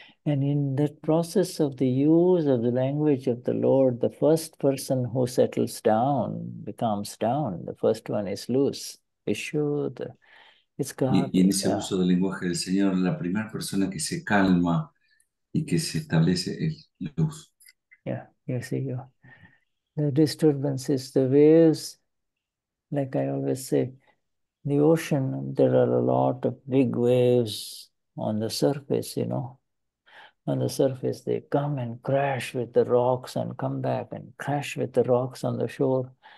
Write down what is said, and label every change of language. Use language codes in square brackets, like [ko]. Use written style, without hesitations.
[en] And in that process of the use of the language of the Lord, the first person who settles down becomes down. The first one is loose, Vishuddha. It's God. [es] Y en ese uso del lenguaje del Señor, la primera persona que se calma y que se establece es luz. [en] Yeah, you see. The disturbances, the waves, like I always say, the ocean, there are a lot of big waves on the surface, you know. On the surface, they come and crash with the rocks and come back and crash with the rocks on the shore.